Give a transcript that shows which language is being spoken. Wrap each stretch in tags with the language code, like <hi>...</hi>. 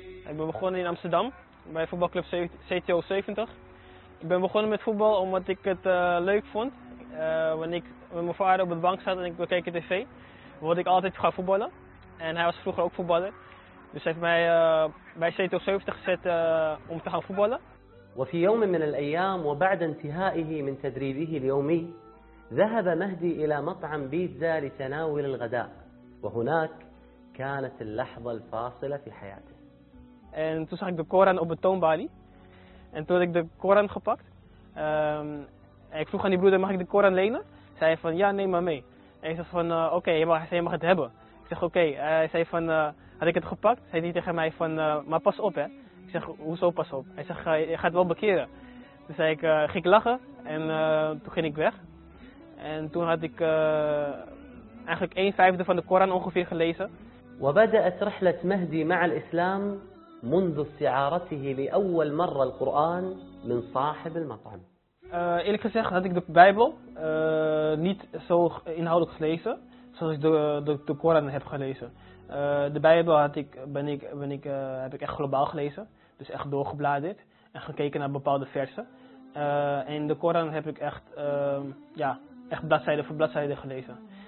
<nl>Ik ben begonnen in Amsterdam bij voetbalclub CTO 70. Ik ben begonnen met voetbal omdat ik het leuk vond. Wanneer ik met mijn vader op de bank zat en ik bekeek tv, wilde ik altijd gaan voetballen. En hij was vroeger ook voetballer. Dus hij heeft mij bij CTO 70 gezet om te gaan voetballen.</nl> <ar>وفي يوم من الأيام وبعد انتهائه من تدريبه اليومي ذهب مهدي إلى مطعم بيتزا لتناول الغداء، وهناك كانت اللحظة الفاصلة في حياته.</ar> <nl>En toen zag ik de Koran op de toonbalie. En toen had ik de Koran gepakt. Ik vroeg aan die broeder, mag ik de Koran lenen? Zei hij van, ja, neem maar mee. En ik zei van, oké, je mag het hebben. Ik zeg, oké. Hij zei van, had ik het gepakt? Zei hij tegen mij van, maar pas op, hè. Ik zeg, hoezo pas op? Hij zegt, je gaat wel bekeren. Toen zei ik, ging ik lachen. En toen ging ik weg. En toen had ik eigenlijk 1/5 van de Koran ongeveer gelezen.</nl> <ar>وبدأت رحلة مهدي مع الإسلام منذ استعارته لأول مرة القرآن من صاحب المطعم.</ar> <nl>Eerlijk gezegd had ik de Bijbel niet zo inhoudelijk gelezen zoals ik de Koran heb gelezen. De Bijbel heb ik echt globaal gelezen, dus echt doorgebladerd en gekeken naar bepaalde versen. En de Koran heb ik echt, echt bladzijde voor bladzijde gelezen.</nl>